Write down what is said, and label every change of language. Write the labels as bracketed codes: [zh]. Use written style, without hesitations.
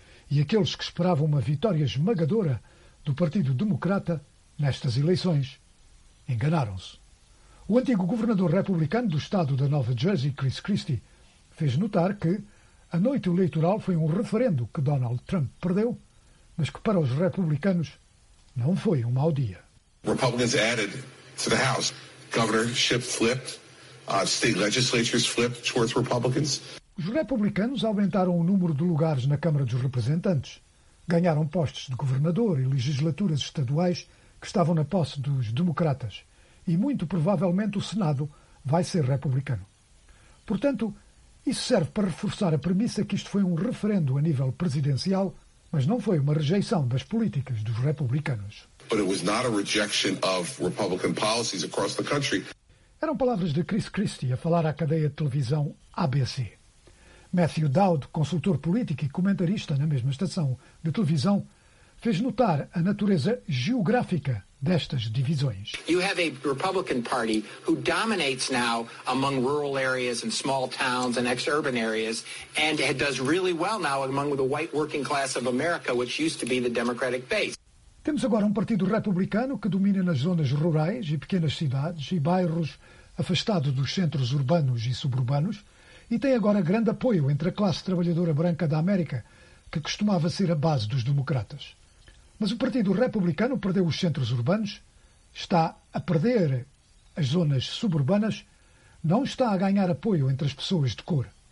[pt] E aqueles que esperavam uma vitória esmagadora do Partido Democrata nestas eleições enganaram-se. O antigo governador republicano do estado da Nova Jersey, Chris Christie, fez notar que a noite eleitoral foi um referendo que Donald Trump perdeu, mas que para os republicanos não foi um mau dia. [en] Republicans added to the House. Governorship flipped. State legislatures flipped towards Republicans. [pt] Os republicanos aumentaram o número de lugares na Câmara dos Representantes, ganharam postos de governador e legislaturas estaduais que estavam na posse dos democratas, e muito provavelmente o Senado vai ser republicano. Portanto, isso serve para reforçar a premissa que isto foi um referendo a nível presidencial, mas não foi uma rejeição das políticas dos republicanos. [en] But it was not a rejection of Republican policies across the country. [pt] Eram palavras de Chris Christie a falar à cadeia de televisão ABC. Matthew Dowd, consultor político e comentarista na mesma estação de televisão, fez notar a natureza geográfica destas divisões. [en] You have a Republican Party who dominates now among rural areas and small towns and ex-urban areas, and it does really well now among the white working class of America, which used to be the Democratic base. [pt] Temos agora um partido republicano que domina nas zonas rurais e pequenas cidades e bairros afastados dos centros urbanos e suburbanos, e tem agora grande apoio entre a classe trabalhadora branca da América, que costumava ser a base dos democratas. Mas o Partido Republicano perdeu os centros urbanos, está a perder as zonas suburbanas, não está a ganhar apoio entre as pessoas de cor.